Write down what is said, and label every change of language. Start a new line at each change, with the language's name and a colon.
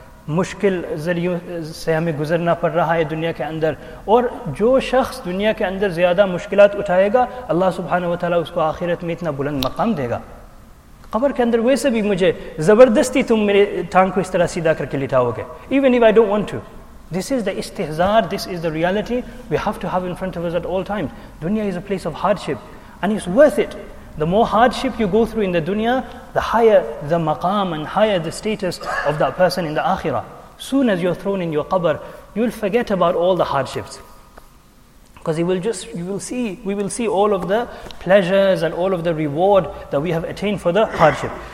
Urdu: مشکل ذریعوں سے ہمیں گزرنا پڑ رہا ہے دنیا کے اندر, اور جو شخص دنیا کے اندر زیادہ مشکلات اٹھائے گا اللہ سبحانہ وتعالی اس کو آخرت میں اتنا بلند مقام دے گا. قبر کے اندر ویسے بھی مجھے زبردستی تم میرے ٹانگ کو اس طرح سیدھا کر کے لٹاؤ گے,
English: Even if I don't want to. This is the استحزار, this is the reality we have to have in front of us at all times. Dunya is a place of hardship and it's worth it. The more hardship you go through in the dunya, the higher the maqam and higher the status of that person in the akhirah. Soon as you're thrown in your qabr, you'll forget about all the hardships. Because we will see all of the pleasures and all of the reward that we have attained for the hardship.